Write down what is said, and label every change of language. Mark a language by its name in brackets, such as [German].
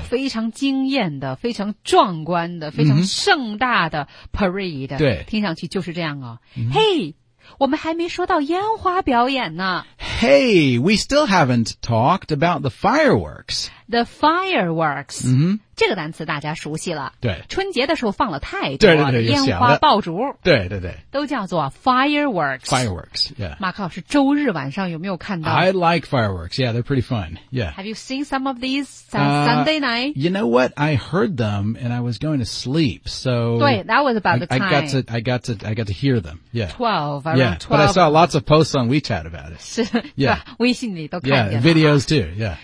[Chinese] 非常惊艳的非常壮观的非常盛大的 parade. 对。听上去就是这样哦。Hey, 我们还没说到烟花表演呢。 [English] Hey, we still haven't talked about the fireworks. The fireworks. 嗯 [Chinese] 这个单词大家熟悉了对春节的时候放了太多的烟花爆竹对对对都叫做 fireworks [English] fireworks、yeah. [Chinese] 马克老师周日晚上有没有看到 [English] I like fireworks yeah they're pretty fun yeah have you seen some of these Sunday night you know what I heard them and I was going to sleep so 对 that was about the time I got to hear them yeah 12 yeah 12. But I saw lots of posts on WeChat about it [Chinese] 是 [English] yeah [Chinese] 微信里都看见 [English] 了 yeah videos too yeah